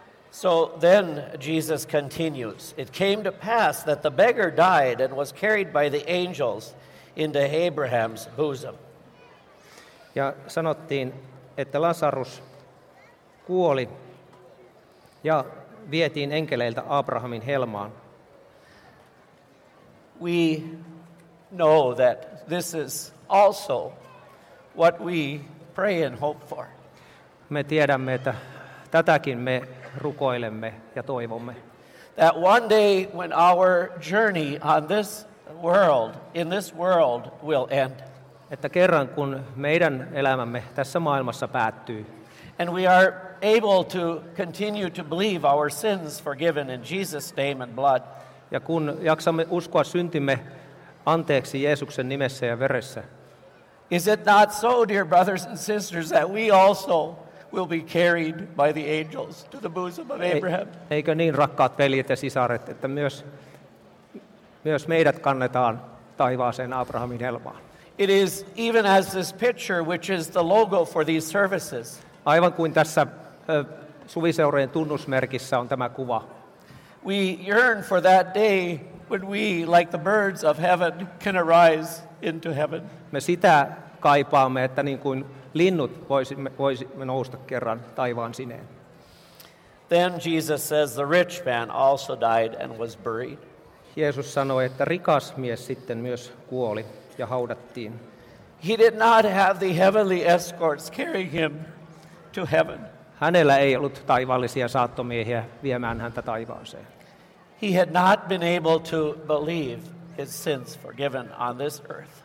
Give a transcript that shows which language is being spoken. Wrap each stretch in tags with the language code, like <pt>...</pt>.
<en>So then Jesus continues. It came to pass that the beggar died and was carried by the angels into Abraham's bosom.</en> <fi>Ja sanottiin, että Lazarus kuoli ja vietiin enkeleiltä Abrahamin helmaan.</fi> <en>We know that this is also what we pray and hope for.</en> <fi>Me tiedämme, että tätäkin me rukoilemme ja toivomme.</fi> <en>That one day when our journey on this world, in this world, will end.</en> <fi>Että kerran kun meidän elämämme tässä maailmassa päättyy.</fi> <en>And we are able to continue to believe our sins forgiven in Jesus' name and blood.</en> <fi>Ja kun jaksamme uskoa syntimme anteeksi Jeesuksen nimessä ja veressä.</fi> <en>Is it not so, dear brothers and sisters, that we also will be carried by the angels to the bosom of Abraham?</en> <fi>Eikö niin, rakkaat veljet ja sisaret, että myös meidät kannetaan taivaaseen Abrahamin helmaan?</fi> <en>It is even as this picture, which is the logo for these services.</en> <fi>Aivan kuin tässä suviseurojen tunnusmerkissä on tämä kuva.</fi> <en>We yearn for that day when we, like the birds of heaven, can arise into heaven.</en> <fi>Me sitä kaipaamme, että niin kuin linnut voisimme nousta kerran taivaan sineen.</fi> <en>Then Jesus says the rich man also died and was buried.</en> <fi>Jeesus sanoi, että rikas mies sitten myös kuoli ja haudattiin.</fi> <en>He did not have the heavenly escorts carrying him to heaven.</en> <fi>Hänellä ei ollut taivaallisia saattomiehiä viemään häntä taivaaseen.</fi> <en>He had not been able to believe his sins forgiven on this earth.</en>